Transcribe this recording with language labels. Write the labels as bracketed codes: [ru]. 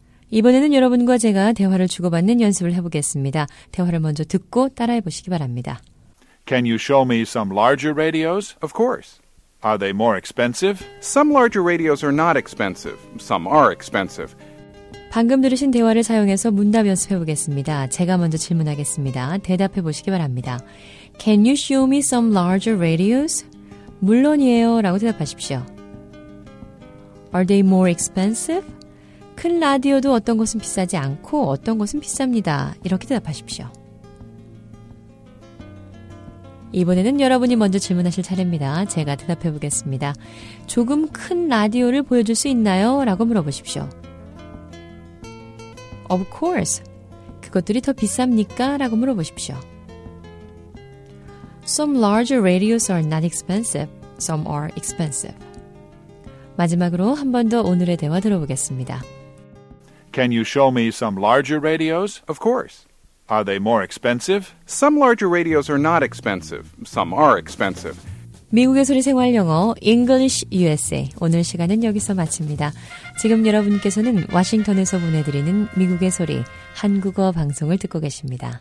[ko] 이번에는 여러분과 제가 대화를 주고받는 연습을 해보겠습니다. 대화를 먼저 듣고 따라해보시기 바랍니다. [en] Can you show me some larger radios? Of course. Are they more expensive? Some larger radios are not expensive. Some are expensive. [ko] 방금 들으신 대화를 사용해서 문답 연습해보겠습니다. 제가 먼저 질문하겠습니다. 대답해보시기 바랍니다. [en] Can you show me some larger radios? [ko] 물론이에요 라고 대답하십시오. [en] Are they more expensive? [ko] 큰 라디오도 어떤 것은 비싸지 않고 어떤 것은 비쌉니다. 이렇게 대답하십시오. 이번에는 여러분이 먼저 질문하실 차례입니다. 제가 대답해 보겠습니다. 조금 큰 라디오를 보여줄 수 있나요? 라고 물어보십시오. [en] Of course. [ko] 그것들이 더 비쌉니까? 라고 물어보십시오. [en] Some larger radios are not expensive. Some are expensive. [ko] 마지막으로 한 번 더 오늘의 대화 들어보겠습니다. [en] Can you show me some larger radios? Of course. Are they more expensive? Some larger radios are not expensive. Some are expensive. [ko] 미국의 소리 생활 영어 English USA 오늘 시간은 여기서 마칩니다. 지금 여러분께서는 워싱턴에서 보내드리는 미국의 소리 한국어 방송을 듣고 계십니다.